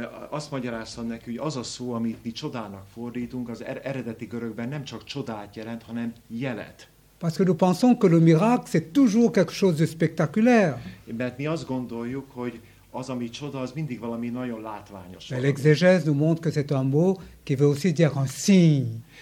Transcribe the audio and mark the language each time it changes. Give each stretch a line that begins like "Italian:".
Hungarian: Azt magyaráztam neki, hogy az a szó, amit mi csodának fordítunk, az eredeti görögben nem csak csodát jelent, hanem jelet.
French: Parce que nous pensons que le miracle, c'est toujours quelque chose de spectaculaire.
Hungarian: Mert mi azt gondoljuk, hogy az ami csoda, az mindig valami nagyon látványos.
French: L'exégèse nous montre que c'est un mot qui veut aussi dire un signe.